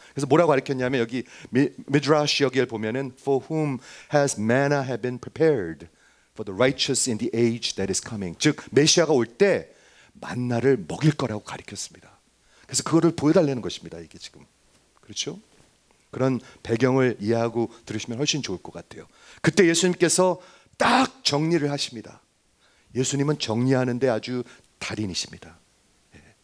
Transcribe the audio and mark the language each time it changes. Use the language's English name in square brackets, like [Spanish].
[Korean] 그래서 뭐라고 가르쳤냐면 여기 미드라시 여기를 보면은 [English] For whom has manna have been prepared? For the righteous in the age that is coming. [Korean] 즉 메시아가 올 때 만나를 먹일 거라고 가리켰습니다. 그래서 그거를 보여달라는 것입니다. 이게 지금. 그렇죠? 그런 배경을 이해하고 들으시면 훨씬 좋을 것 같아요. 그때 예수님께서 딱 정리를 하십니다. 예수님은 정리하는데 아주 달인이십니다. 예.